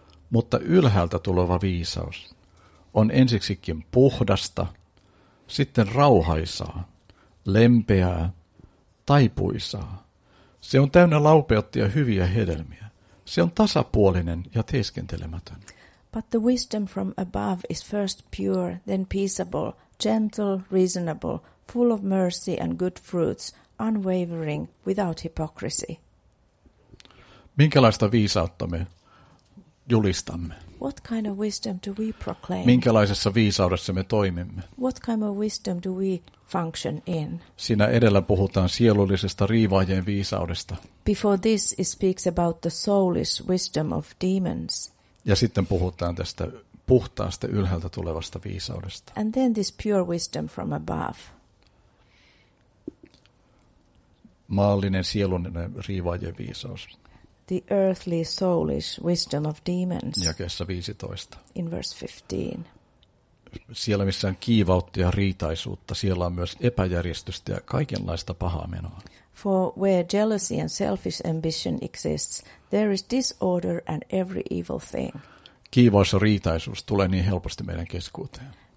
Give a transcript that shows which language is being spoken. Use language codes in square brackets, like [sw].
[fi] Mutta ylhäältä tuleva viisaus on ensiksikin puhdasta, sitten rauhaisaa, lempeää, taipuisaa. Se on täynnä laupeutta ja hyviä hedelmiä. Se on tasapuolinen ja teeskentelemätön. [en] But the wisdom from above is first pure, then peaceable, gentle, reasonable, full of mercy and good fruits, unwavering, without hypocrisy. [fi] Minkälaista viisautta me julistamme? [en] What kind of wisdom do we proclaim? [fi] Minkälaisessa viisaudessa me toimimme? [en] What kind of wisdom do we function in? [fi] Siinä edellä puhutaan sielullisesta riivaajien viisaudesta. [en] Before this it speaks about the soulish wisdom of demons. [fi] Ja sitten puhutaan tästä puhtaasta ylhäältä tulevasta viisaudesta. [en] And then this pure wisdom from above. [fi] Maallinen sielullinen riivaajien viisaus. [en] The earthly soulish wisdom of demons. [fi] Jakeessa 15. [en] In verse 15. [fi] Siellä missä on kiivautta ja riitaisuutta, siellä on myös epäjärjestystä ja kaikenlaista pahaa menoa. [en] For where jealousy and selfish ambition exists, there is disorder and every evil thing. [fi] Kiivaus ja riitaisuus tulee niin helposti meidän keskuuteen.